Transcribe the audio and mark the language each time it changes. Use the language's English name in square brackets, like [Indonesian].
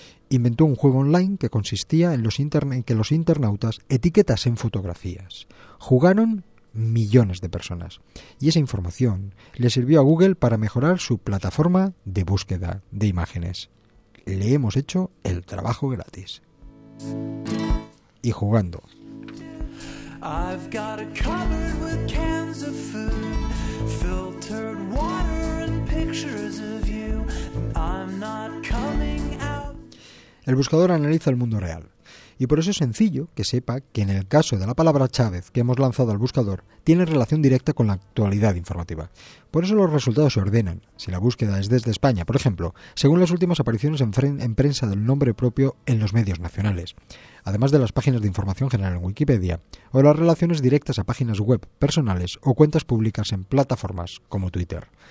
[Spanish] Inventó un juego online que consistía en que los internautas etiquetasen fotografías. Jugaron millones de personas. Y esa información le sirvió a Google para mejorar su plataforma de búsqueda de imágenes. Le hemos hecho el trabajo gratis. Y jugando. [English] I've got a cupboard with cans of food, filtered water and pictures of you. I'm not coming out. [Spanish] El buscador analiza el mundo real. Y por eso es sencillo que sepa que en el caso de la palabra Chávez que hemos lanzado al buscador, tiene relación directa con la actualidad informativa. Por eso los resultados se ordenan, si la búsqueda es desde España, por ejemplo, según las últimas apariciones en prensa del nombre propio en los medios nacionales, además de las páginas de información general en Wikipedia, o las relaciones directas a páginas web personales o cuentas públicas en plataformas como Twitter.